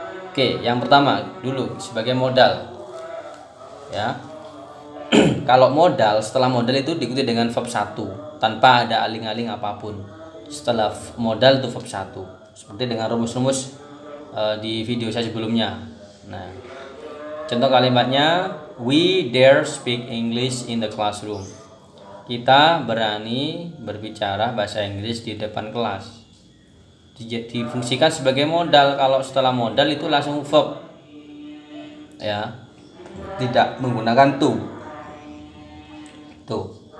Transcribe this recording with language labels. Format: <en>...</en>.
<id>Oke, yang pertama dulu sebagai modal ya. Kalau modal, setelah modal itu diikuti dengan verb 1 tanpa ada aling-aling apapun. Setelah modal itu verb 1 seperti dengan rumus-rumus di video saya sebelumnya. Nah, contoh kalimatnya,</id> <en>we dare speak English in the classroom.</en> <id>Kita berani berbicara bahasa Inggris di depan kelas. Difungsikan sebagai modal. Kalau setelah modal itu langsung verb ya, tidak menggunakan to. Tuh.</id>